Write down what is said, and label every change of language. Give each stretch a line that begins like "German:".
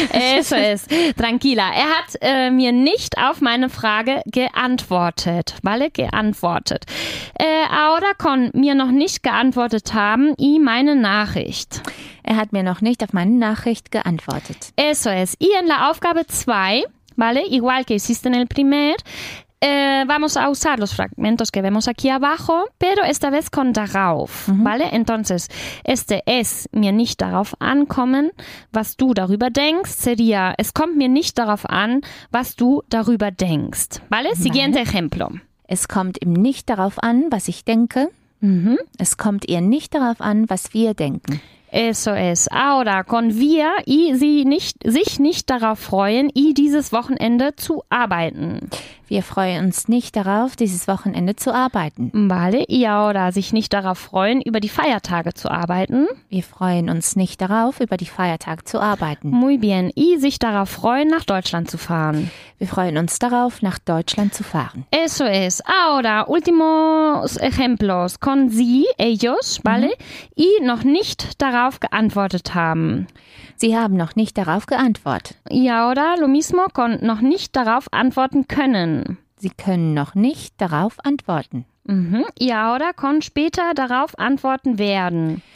Spanish: Eso es. Tranquila.
German: Er hat mir nicht auf meine Frage geantwortet. Vale, geantwortet.
Spanish: Ahora con
German: mir noch nicht geantwortet haben y meine Nachricht. Er hat mir noch nicht auf meine Nachricht geantwortet.
Spanish: Eso es. Y en la Aufgabe 2, vale, igual que hiciste en el primer, vamos a usar los fragmentos que vemos aquí abajo, pero esta vez con darauf, mhm, vale? Entonces, este es
German: mir nicht darauf ankommen, was du darüber denkst,
Spanish: sería,
German: es kommt mir nicht darauf an, was du darüber denkst,
Spanish: vale? Siguiente ejemplo.
German: Es kommt ihm nicht darauf an, was ich denke. Mhm. Es kommt ihr nicht darauf an, was wir denken.
Spanish: Eso es. Ahora, con
German: wir y sie nicht, sich nicht darauf freuen, y dieses Wochenende zu arbeiten. Wir freuen uns nicht darauf, dieses Wochenende zu arbeiten.
Spanish: Vale, y ahora,
German: sich nicht darauf freuen, über die Feiertage zu arbeiten. Wir freuen uns nicht darauf, über die Feiertage zu arbeiten.
Spanish: Muy bien, y
German: sich darauf freuen, nach Deutschland zu fahren. Wir freuen uns darauf, nach Deutschland zu fahren.
Spanish: Eso es. Ahora, últimos ejemplos.
German: Con sie,
Spanish: ellos, vale,
German: mhm, y noch nicht darauf geantwortet haben. Sie haben noch nicht darauf geantwortet. Ja, oder
Spanish: lo mismo, con
German: noch nicht darauf antworten können. Sie können noch nicht darauf antworten. Mhm. Ja, oder con später darauf antworten werden.